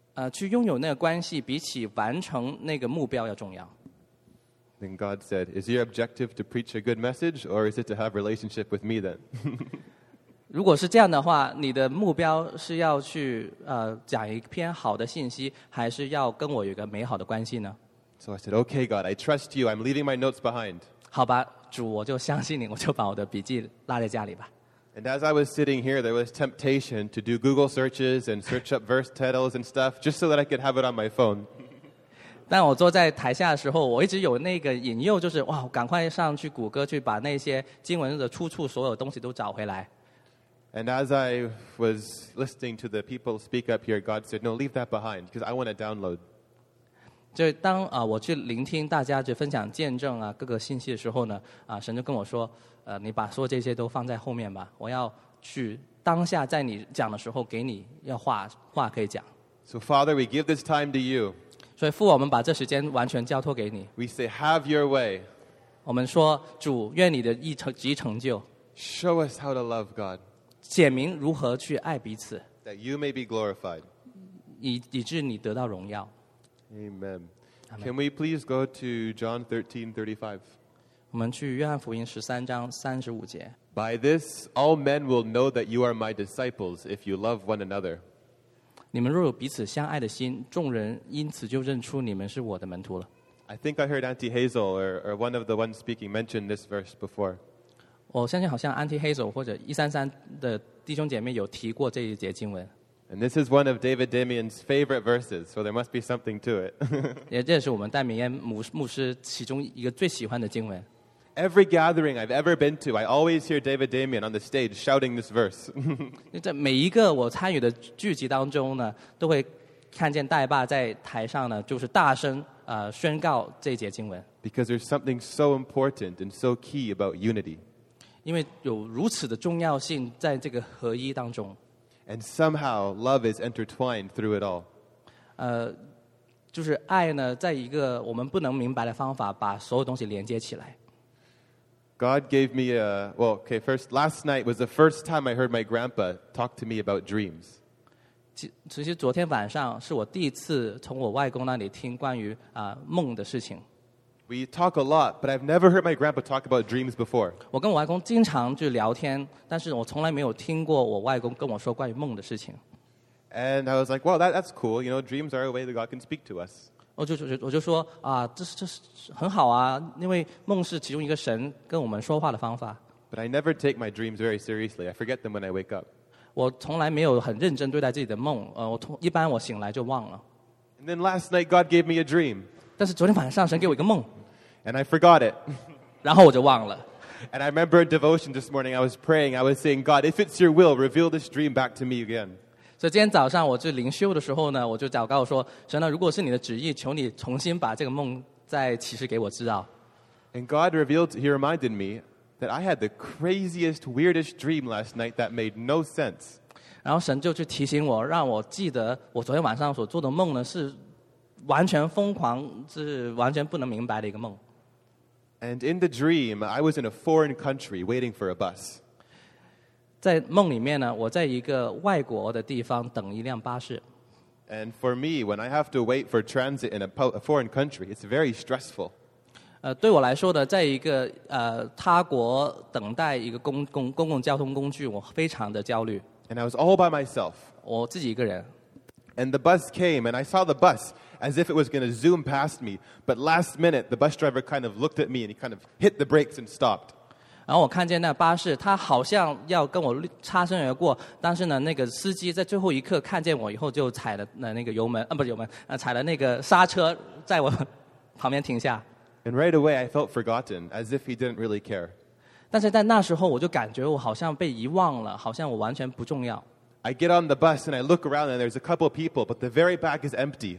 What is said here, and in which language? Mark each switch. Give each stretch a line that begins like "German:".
Chinese: 去拥有那个关系比起完成那个目标要重要。
English: Then God said, "Is your objective to preach a good message, or is it to have relationship with me?" Then.
Chinese: 如果是这样的话，你的目标是要去讲一篇好的信息，还是要跟我有一个美好的关系呢
English: ？So I said, "Okay, God, I trust you. I'm leaving my notes behind."
Chinese: 好吧，主，我就相信你，我就把我的笔记落在家里吧。
English: And as I was sitting here, there was temptation to do Google searches and search up verse titles and stuff just so that I could have it on my phone.
Chinese: 但我坐在台下的时候，我一直有那个引诱，就是哇，赶快上去谷歌去把那些经文的出处所有东西都找回来。
English: And as I was listening to the people speak up here, God said, "No, leave that behind because I want to download."
Chinese: 就当啊，我去聆听大家去分享见证啊，各个信息的时候呢，啊，神就跟我说，你把说这些都放在后面吧，我要去当下在你讲的时候给你要话话可以讲。
English: So Father, we give this time to you.
Chinese: 所以父，我们把这时间完全交托给你。
English: We say, Have your way.
Chinese: 我们说，主，愿你的意成即成就。
English: Show us how to love God.
Chinese: 显明如何去爱彼此。
English: That you may be glorified.
Chinese: 以致你得到荣耀。
English: Amen. Can we please go to John 13:35?
Chinese: 我们去约翰福音十三章三十五节。
English: By this, all men will know that you are my disciples if you love one another.
Chinese: 你们若有彼此相爱的心，众人因此就认出你们是我的门徒了。
English: I think I heard Auntie Hazel or one of the ones speaking mentioned this verse before.
Chinese: 我相信好像 Auntie Hazel 或者一三三的弟兄姐妹有提过这一节经文。
English: And this is one of David Damian's favorite verses, so there must be something to it.
Chinese: 也这是我们戴明燕牧师其中一个最喜欢的经文。
English: Every gathering I've ever been to, I always hear David Damian on the stage shouting this verse.
Chinese: 在每一个我参与的聚集当中呢，都会看见戴爸在台上呢，就是大声宣告这节经文。
English: Because there's something so important and so key about unity.
Chinese: 因为有如此的重要性在这个合一当中。
English: And somehow love is intertwined through it all.
Chinese: 就是爱呢，在一个我们不能明白的方法，把所有东西连接起来。
English: God gave me a well. Okay, first last night was the first time I heard my grandpa talk to me about dreams.
Chinese: 其实昨天晚上是我第一次从我外公那里听关于梦的事情。
English: We talk a lot, but I've never heard my grandpa talk about dreams before.
Chinese: 我跟我外公经常去聊天，但是我从来没有听过我外公跟我说关于梦的事情。
English: And I was like, well, that's cool. You know, dreams are a way that God can speak to us.
Chinese: 我就说啊，这是很好啊，因为梦是其中一个神跟我们说话的方法。
English: But I never take my dreams very seriously. I forget them when I wake up.
Chinese: 我从来没有很认真对待自己的梦，一般我醒来就忘了。
English: And then last night, God gave me a dream.
Chinese: 但是昨天晚上神给我一个梦
English: and I forgot it.
Chinese: 然后我就忘了
English: and I remember in devotion this morning I was praying I was saying God if it's your will reveal this dream back to me again.
Chinese: 所以今天早上我去灵修的时候呢，我就祷告说，神呢，如果是你的旨意，求你重新把这个梦再启示给我知道。
English: And God revealed, he reminded me that I had the craziest, weirdest dream last night that made no sense.
Chinese: 然后神就去提醒我，让我记得我昨天晚上所做的梦呢是完全疯狂，是完全不能明白的一个梦。
English: And in the dream, I was in a foreign country waiting for a bus.
Chinese: 在梦里面呢，我在一个外国的地方等一辆巴士。
English: And for me, when I have to wait for transit in a foreign country, it's very stressful.
Chinese: 对我来说呢，在一个他国等待一个公共交通工具，我非常的焦虑。
English: And I was all by myself.
Chinese: 我自己一个人。
English: And the bus came, and I saw the bus. As if it was going to zoom past me, but last minute, the bus driver kind of looked at me and he kind of hit the brakes and stopped.
Chinese: 然后我看见那巴士，他好像要跟我擦身而过，但是呢，那个司机在最后一刻看见我以后，就踩了那个油门，不是油门，踩了那个刹车，在我旁边停下。
English: And right away, I felt forgotten, as if he didn't really care.
Chinese: 但是在那时候，我就感觉我好像被遗忘了，好像我完全不重要。
English: I get on the bus and I look around and there's a couple people, but the very back is empty.